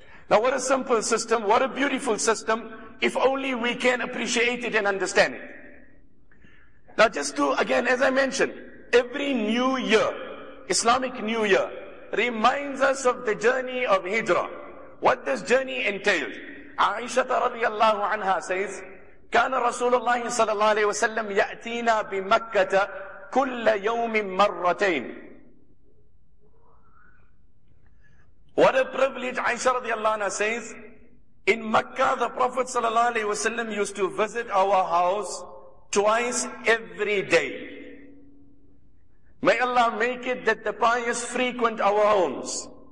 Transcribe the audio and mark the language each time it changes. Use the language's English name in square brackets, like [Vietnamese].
[English] Now what a simple system, what a beautiful system, if only we can appreciate it and understand it. Now just to, again, as I mentioned, every new year, Islamic new year, reminds us of the journey of Hijrah. What does journey entail? [Arabic] Aisha radiallahu anha says, كان رسول الله صلى الله عليه وسلم يأتينا بمكة كل يوم مرتين. [English] What a privilege, Aisha radiallahu anha says, in Mecca, the Prophet sallallahu alaihi wasallam used to visit our house twice every day. May Allah make it that the pious frequent our homes.